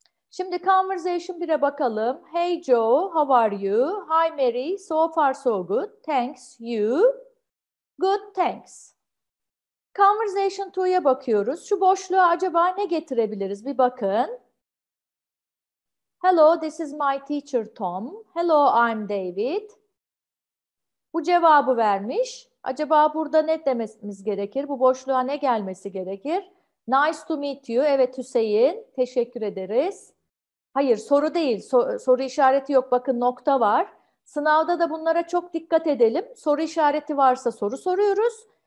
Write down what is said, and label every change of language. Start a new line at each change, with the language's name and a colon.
Turkish: Şimdi conversation 1'e bakalım.
English: Hey Joe, how are you? Hi Mary, so far so good. Thanks, you. Good, thanks.
Turkish: Conversation 2'ye bakıyoruz. Şu boşluğa acaba ne getirebiliriz? Bir bakın.
English: Hello, this is my teacher Tom. Hello, I'm David.
Turkish: Bu cevabı vermiş. Acaba burada ne dememiz gerekir? Bu boşluğa ne gelmesi gerekir?
English: Nice to meet you.
Turkish: Evet Hüseyin, teşekkür ederiz. Hayır, soru değil. Soru işareti yok. Bakın nokta var. Sınavda da bunlara çok dikkat edelim. Soru işareti varsa soru soruyoruz.